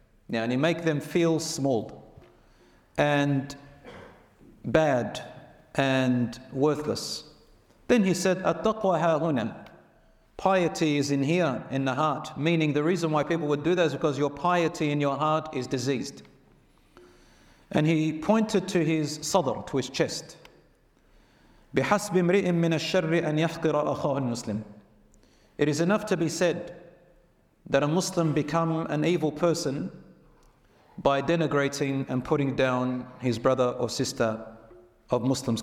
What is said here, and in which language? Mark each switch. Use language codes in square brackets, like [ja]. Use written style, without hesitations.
[en] يعني make them feel small and bad and worthless. Then he said, [ar] التقوى هاهنا. [en] Piety is in here, in the heart. Meaning the reason why people would do that is because your piety in your heart is diseased. And he pointed to his sadr, to his chest. [ar] بحسب امرئ من الشر أن يحقر أخاه المسلم. [en] It is enough to be said that a Muslim become an evil person by denigrating and putting down his brother or sister of Muslims.